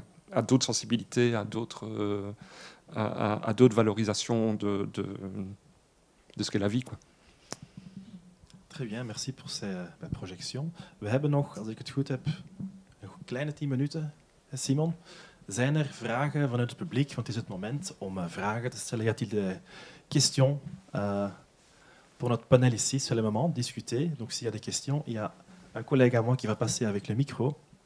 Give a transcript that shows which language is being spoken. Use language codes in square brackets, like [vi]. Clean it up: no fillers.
[fr] à d'autres sensibilités, à d'autres valorisations de ce qu'est la vie, quoi. Très bien, merci pour ces projections. [nl] We hebben nog, als ik het goed heb, een kleine 10 minuten. Simon, zijn er vragen vanuit het publiek? Want het is het moment om vragen te stellen. [fr] Y a-t-il des questions pour notre panel ici? C'est le moment de discuter. Donc, s'il y a des questions, il y a un collègue à moi qui va passer avec le micro.